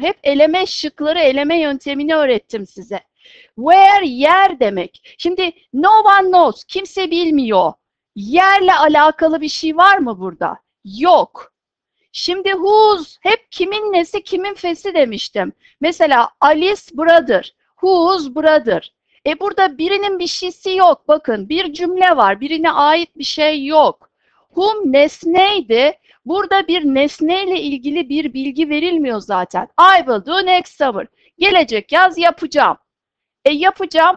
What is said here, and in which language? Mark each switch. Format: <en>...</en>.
<tr>Hep eleme şıkları, eleme yöntemini öğrettim size. Where yer demek. Şimdi</tr> <en>no one knows,</en> <tr>kimse bilmiyor. Yerle alakalı bir şey var mı burada? Yok. Şimdi who's, hep kimin nesi, kimin fesi demiştim.</tr> <en>Mesela Alice brother, who's brother.</en> <tr>Burada birinin bir şeysi yok. Bakın bir cümle var, birine ait bir şey yok. Whom nesneydi? Burada bir nesneyle ilgili bir bilgi verilmiyor zaten.</tr> <en>I will do next summer.</en> <tr>Gelecek yaz yapacağım. Yapacağım.</tr>